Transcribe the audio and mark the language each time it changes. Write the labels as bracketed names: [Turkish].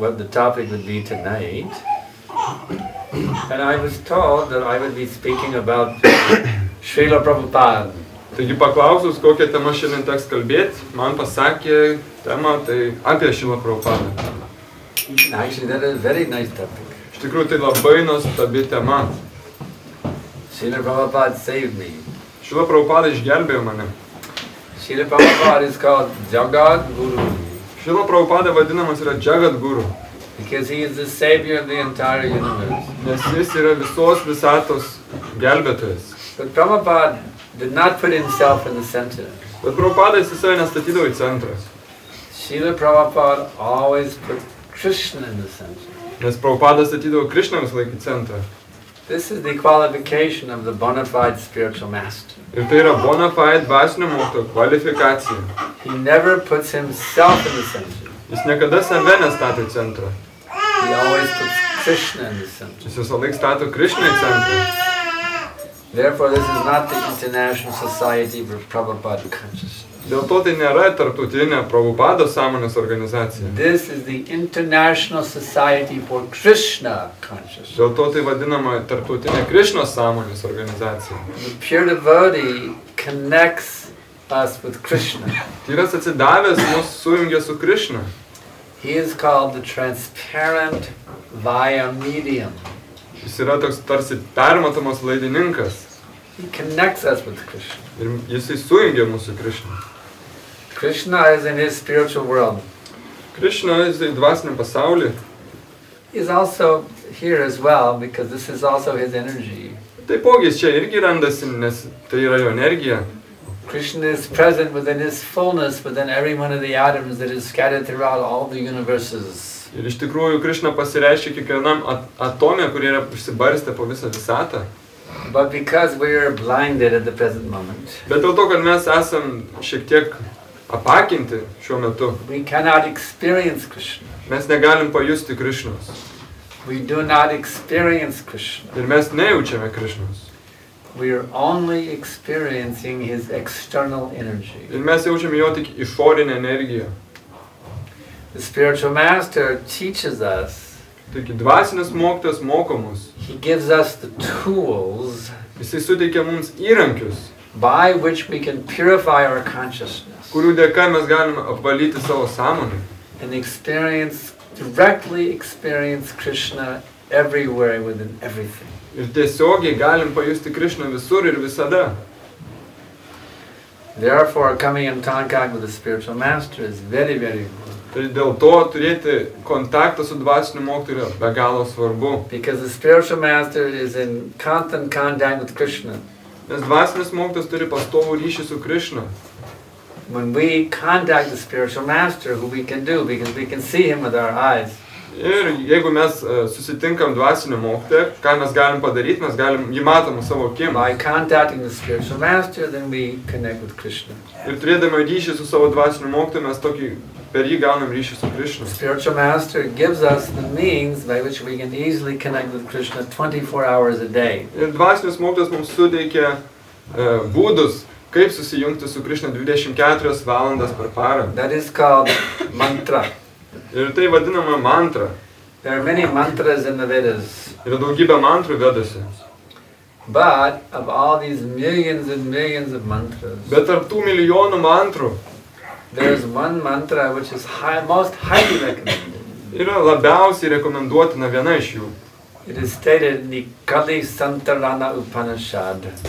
[English] Topic would be tonight, and I was told that I would be speaking about Srila Prabhupada. [Lithuanian] Taigi paklausus, kokia tema šiandien teks kalbėti, man pasakė tema, tai apie Srila Prabhupada. [English] Actually, that is a very nice topic. [Lithuanian] Iš tikrųjų, tai labai nuostabi tema. [English] Srila Prabhupada saved me. [Lithuanian] Srila Prabhupada išgelbėjo mane. [English] Srila Prabhupada is called Jagat Guru. [Lithuanian] Srila Prabhupada vadinamas yra Jagat Guru. [English] Because he is the savior of the entire universe. [Lithuanian] Nes jis yra visos visatos gelbėtojas. [English] But Prabhupada did not put himself in the center. [Lithuanian] Bet Prabhupada jis visai nestatydavo į centrą. [English] Srila Prabhupada always put Krishna in the center. [Lithuanian] Nes Prabhupada statydavo Krishna visą laiką į centrą. [English] This is the qualification of the bona fide spiritual master. [Lithuanian] Ir tai yra bona fide dvasinio mokytojo kvalifikacija. [English] He never puts himself in the center. [Lithuanian] Jis niekada save nestato į centrą. [English] He always puts Krishna in the center. [Lithuanian] Jis visą laiką stato Krishna į centrą. [English] Therefore, this is not the International Society for Prabhupada Consciousness. [Lithuanian] Dėl to tai nėra tarptautinė Prabhupada sąmonės organizacija. [English] This is the International Society for Krishna Consciousness. [Lithuanian] Dėl to tai vadinama tarptautinė Krishna sąmonės organizacija. [English] The pure devotee connects us with Krishna. [Lithuanian] Tyras atsidavęs mus sujungia su Krishna. [English] He is called the transparent via medium. [Lithuanian] Jis yra toks tarsi permatomas laidininkas. [English] He connects us with Krishna. [Lithuanian] Ir jis sujungia mus su Krishna. [English] Krishna is in his spiritual world. [Lithuanian] Krishna [English] is in [Lithuanian] dvasiniam pasaulyje. [English] He is also here as well because this is also his energy. [Lithuanian] Taipogi jis čia irgi randasi, nes tai yra jo energija. [English] Krishna is present within his fullness within every one of the atoms that is scattered throughout all the universes. [Lithuanian] Ir iš tikrųjų Krishna pasireiškia kiekvienam atome, kurie yra išsibarstę po visą visatą. [English] But because we are blinded at the present moment. [Lithuanian] Bet dėl to, kad mes esam šiek tiek apakinti šiuo metu. [English] We cannot experience Krishna. [Lithuanian] Mes negalim pajusti Krishnos. [English] We do not experience Krishna. [Lithuanian] Ir mes nejaučiame Krishnos. [English] We are only experiencing his external energy. [Lithuanian] Ir mes jaučiam jo tik išorinę energiją. [English] The spiritual master teaches us. [Lithuanian] Taigi dvasinis mokytas moko mus. [English] He gives us the tools. [Lithuanian] Jis suteikia mums įrankius. [English] By which we can purify our consciousness. [Lithuanian] Kurių dėka mes galime apvalyti savo sąmonę. [English] And experience, directly experience Krishna everywhere within everything. [Lithuanian] Ir tiesiogiai galim pajusti Krishna visur ir visada. [English] Therefore, coming in contact with the spiritual master is very, very important. [Lithuanian] Dėl to turėti kontaktą su dvasiniu mokytoju yra be galo svarbu. [English] Because the spiritual master is in constant contact with Krishna. [Lithuanian] Nes dvasinis mokytas turi pastovų ryšį su Krishna. [English] When we contact the spiritual master, who we can do, because we can see him with our eyes. [Lithuanian] Ir jeigu mes susitinkam dvasinį mokytą, ką mes galim padaryti, mes galim jį matom savo akim. [English] By contacting the spiritual master, then we connect with Krishna. [Lithuanian] Ir turėdami ryšį su savo dvasiniu mokytoju, mes tokį per jį gaunam ryšį su Krishna. [English] Spiritual master gives us the means by which we can easily connect with Krishna 24 hours a day. [Lithuanian] Ir dvasinis mokytas mums suteikia būdus, kaip susijungti su Krishna 24 valandas per parą. [English] That is called mantra. [Lithuanian] Ir tai vadinama mantra. [English] There are many mantras in the Vedas. [Lithuanian] Yra daugybė mantrų Vedose. [English] But of all these millions and millions of mantras. [Lithuanian] Bet tarp tų milijonų mantrų. [English] There is one mantra which is most highly recommended. [Lithuanian] Yra labiausiai rekomenduotina viena iš jų. [English] It is stated in the Kali Santarana Upanishad.